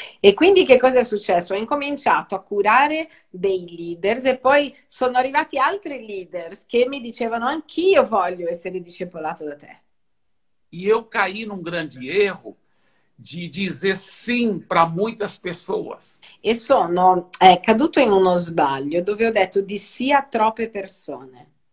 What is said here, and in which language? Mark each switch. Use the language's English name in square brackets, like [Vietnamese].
[Italian] E quindi che cosa è successo? Ho incominciato a curare dei leaders e poi sono arrivati altri leaders che mi dicevano anch'io voglio essere discepolato da te. [Portuguese] E eu caí num grande erro de dizer sim para muitas pessoas. [Italian] E sono caduto in uno sbaglio dove ho detto di sì a troppe persone.